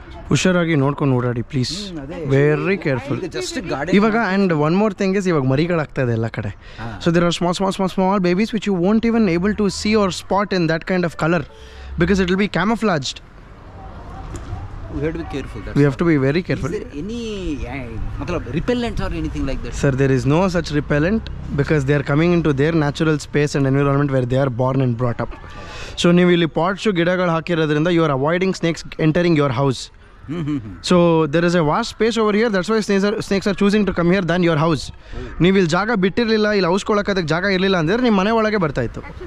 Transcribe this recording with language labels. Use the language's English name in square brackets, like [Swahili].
[Kannada] ಹುಷಾರಾಗಿ ನೋಡ್ಕೊಂಡು ಓಡಾಡಿ ಪ್ಲೀಸ್, [English] very careful [Kannada] ಇವಾಗ. [English] and one more thing is, [Kannada] ಇವಾಗ ಮರಿಗಳಾಗ್ತಾ ಇದೆ ಎಲ್ಲ ಕಡೆ. [English] So there are small small small small babies which you won't even able to see our spot in that kind of colour, because it will be camouflaged. We have to be very careful. Is there any, repellent or anything like that? Sir, there is no such repellent, because they are coming into their natural space and environment where they are born and brought up. So, [Kannada] ನೀವು ಇಲ್ಲಿ pots ಗಿಡಗಳು ಹಾಕಿರೋದ್ರಿಂದ [English] You are avoiding snakes entering your house. So there is a vast space over here, that's why snakes are choosing to come here than your house. [Kannada] ನೀವು ಇಲ್ಲಿ ಜಾಗ ಬಿಟ್ಟಿರಲಿಲ್ಲ, ಇಲ್ಲಿ house ಕೊಳಕ್ಕೆ ಅದಕ್ಕೆ ಜಾಗ ಇರಲಿಲ್ಲ ಅಂದರೆ ನಿಮ್ಮ ಮನೆ ಒಳಗೆ ಬರ್ತಾ ಇತ್ತು.